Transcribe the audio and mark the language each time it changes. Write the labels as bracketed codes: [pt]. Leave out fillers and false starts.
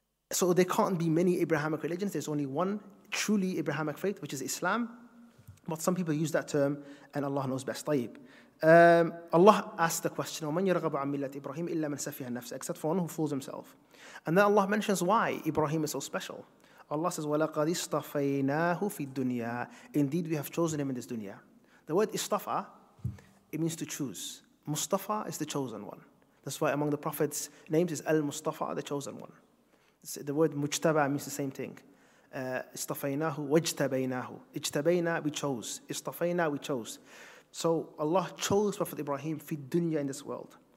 [en] So there can't be many Abrahamic religions. There's only one truly Abrahamic faith, which is Islam. But some people use that term, and Allah knows best. [ar] طيب. [en] Allah asked the question, [ar] وَمَنْ يَرْغَبُ عَنْ مِلَّةِ إِبْرَاهِيمِ إِلَّا مَنْ سَفِيهَ النَّفْسِ, [en] except for one who fools himself. And then Allah mentions why Ibrahim is so special. Allah says, [ar] وَلَقَدْ إِصْطَفَيْنَاهُ فِي الدُّنْيَا. [en] Indeed, we have chosen him in this dunya. The word istafa, it means to choose. Mustafa is the chosen one. That's why among the Prophet's names is Al-Mustafa, the chosen one. The word mujtaba means the same thing. [ar] إِصْطَفَيْنَاهُ وَاجْتَبَيْنَاهُ. [en] إِجْتَبَيْنَا, we chose. إِصْطَفَيْنَا, we chose. So Allah chose Prophet Ibrahim [ar] في الدنيا, [en] in this world.